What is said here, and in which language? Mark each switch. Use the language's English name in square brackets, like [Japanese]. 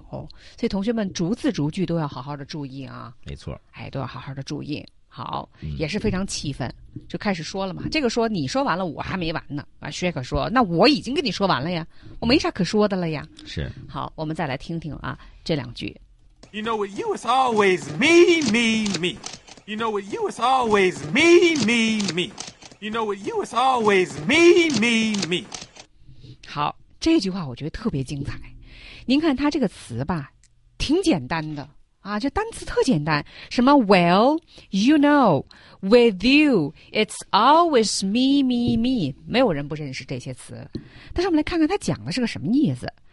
[Chinese] 所以同学们逐字逐句都要好好的注意啊。没错，哎，都要好好的注意。好，也是非常气愤，就开始说了嘛。这个说你说完了，我还没完呢。啊，薛可说，那我已经跟你说完了呀，我没啥可说的了呀。是，好，我们再来听听啊，这两句。 [English] You know with you it's always me, me, me. You know with you it's always me, me, me. You know with you it's always me, me, me. [Chinese] 好，这句话我觉得特别精彩。您看它这个词吧，挺简单的。啊，这单词特简单，什么 [English] well, you know, with you, it's always me, me, [Chinese] me， 没有人不认识这些词。但是我们来看看他讲的是个什么意思。